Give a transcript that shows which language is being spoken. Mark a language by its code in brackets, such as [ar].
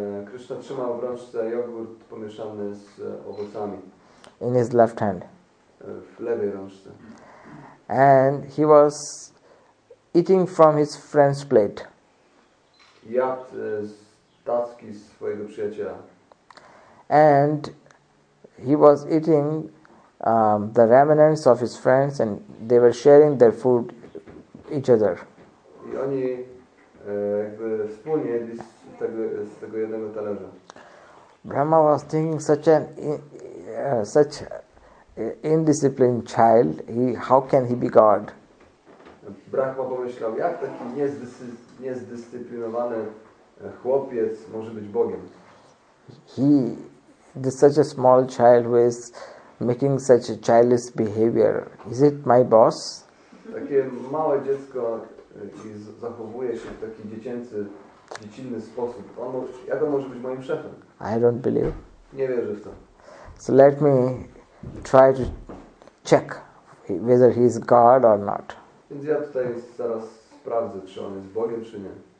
[pl] Krishna trzymał w ręce jogurt pomieszany z owocami. [en] In his left hand. [pl] W lewej ręce. [en] And he was eating from his friend's plate. [pl] Jadł z tacki swojego przyjaciela. [en] And he was eating the remnants of his friends and they were sharing their food each other. [pl] I oni jakby wspólnie jedli z tego jednego talerza. [en] Brahma was thinking such an such indisciplined child, how can he be God? [pl] Brahma pomyślał, jak taki niezdyscyplinowany chłopiec może być Bogiem? [en] He is such a small child who is making such a childish behavior. Is it my boss? [pl] Takie małe dziecko zachowuje się w taki dziecinny sposób. Jak on może być moim szefem? [en] I don't believe. [pl] Nie wierzę w to. [en] So let me try to check whether he is God or not. [pl] Więc ja tutaj zaraz sprawdzę, czy on jest Bogiem, czy nie.